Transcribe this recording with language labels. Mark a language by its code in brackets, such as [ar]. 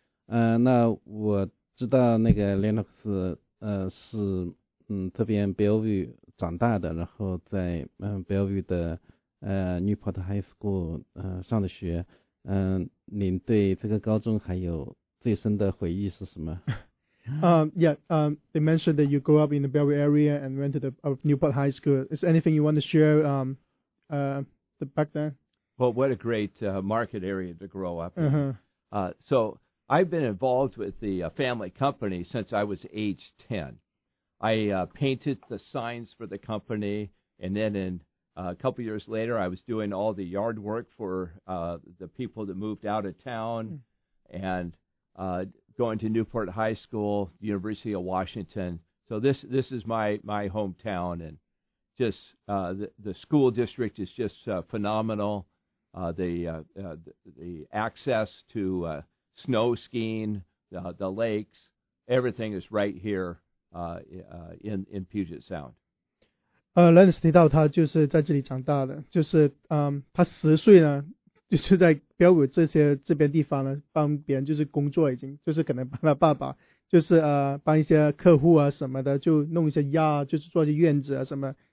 [zh] 那我知道那个 Lennox 是这边 Bellevue 长大的，然后在Bellevue 的Newport High School 上的学。您对这个高中还有最深的回忆是什么？ [en] They mentioned that you grew up in the Bellevue area and went to the Newport High School. Is anything you want to share back then? Well, what a great market area to grow up in. So I've been involved with the family company since I was age 10. I painted the signs for the company, and then in a couple years later, I was doing all the yard work for the people that moved out of town and going to Newport High School, University of Washington. So this is my hometown, and just the school district is just phenomenal. The access to snow skiing, the lakes, everything is right here in Puget Sound. [zh] Lennox 提到他就是在这里长大的，就是他十岁呢，就是在标武这边地方呢帮别人就是工作，已经就是可能帮他爸爸就是帮一些客户啊什么的，就弄一些鸭，就是做些院子啊什么。